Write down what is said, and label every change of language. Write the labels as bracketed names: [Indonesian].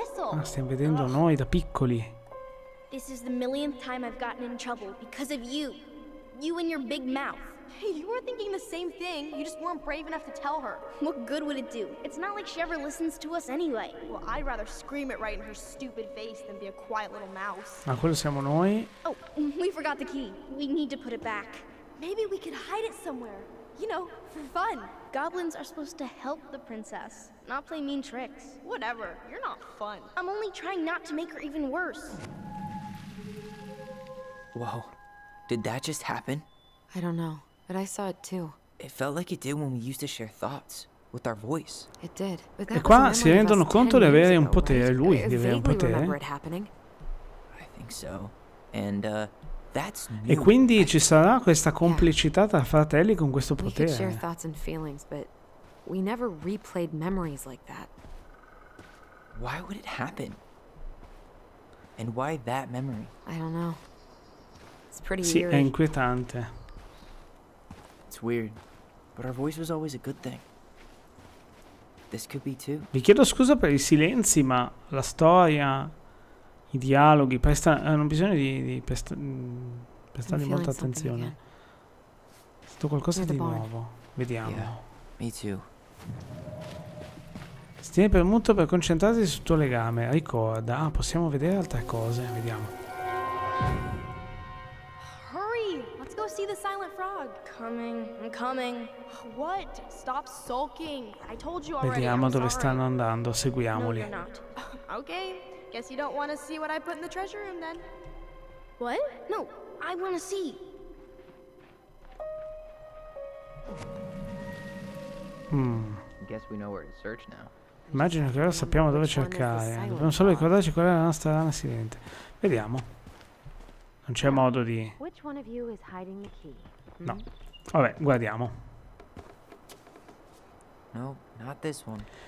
[Italian] Ma stiamo vedendo noi da piccoli. [English] This is the millionth time I've gotten in trouble because of you. You and your big mouth. Hey, you were thinking the same thing. You just weren't brave enough to tell her. What good would it do? It's not like she ever listens to us anyway. Well, I'd rather scream it right in her stupid face than be a quiet little mouse. [Italian] Ma quello siamo noi? [English] Oh, we forgot the key. We need to put it back. Maybe we could hide it somewhere. You know, for fun. Goblins are supposed to help the princess, not play mean tricks. Whatever, you're not fun. I'm only trying not to make her even worse. Whoa, did that just happen? I don't know, but I saw it too. It felt like it did when we used to share thoughts with our voice. It did. But [Italian] e qua si rendono conto di avere un potere, lui di avere un potere. [English] I think so. And that's [Italian] e quindi ci sarà questa complicità tra fratelli con questo potere. [English] We could share thoughts and feelings, but we never replayed memories like that. Why would it happen? And why that memory? I don't know. It's pretty [Italian] sì, [English] eerie. [Italian] È inquietante. [English] It's weird, but our voice was always a good thing. This could be too. [Italian] Vi chiedo scusa per i silenzi, ma la storia, i dialoghi, presta, hanno bisogno di prestare molta attenzione. Sento qualcosa di nuovo. Vediamo. [English] Me too. [Italian] Stieni premuto per concentrarti sul tuo legame. Ricorda, possiamo vedere altre cose. Vediamo. [English] See the silent frog. Coming, I'm coming. What? Stop sulking. I told you already. [Italian] Vediamo [English] I'm [Italian] dove [English] sorry. [Italian] Stanno andando, seguiamoli. [English] No, okay. Guess you don't want to see what I put in the treasure room then. What? No, I want to see. Guess we know where to search now. [Italian] Immagino che ora sappiamo dove cercare. Dobbiamo solo ricordarci qual è la nostra rana silente. Vediamo. Non c'è modo di... No. Vabbè, guardiamo. [English] No, not this one.